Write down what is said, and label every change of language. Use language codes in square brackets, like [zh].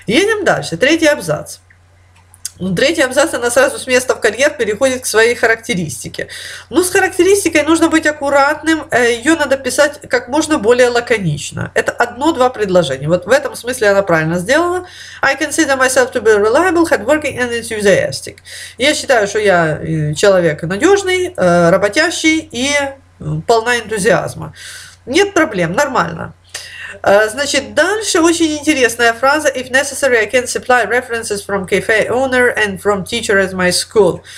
[ru] Едем дальше, третий абзац. Третий абзац, она сразу с места в карьер переходит к своей характеристике. Но с характеристикой нужно быть аккуратным, ее надо писать как можно более лаконично. Это 1-2 предложения. Вот в этом смысле она правильно сделала. [en] I consider myself to be reliable, hardworking and enthusiastic. [ru] Я считаю, что я человек надежный, работящий и полна энтузиазма. Нет проблем, нормально. Значит, дальше очень интересная фраза [en] «If necessary, I can supply references from cafe owner and from teacher at my school».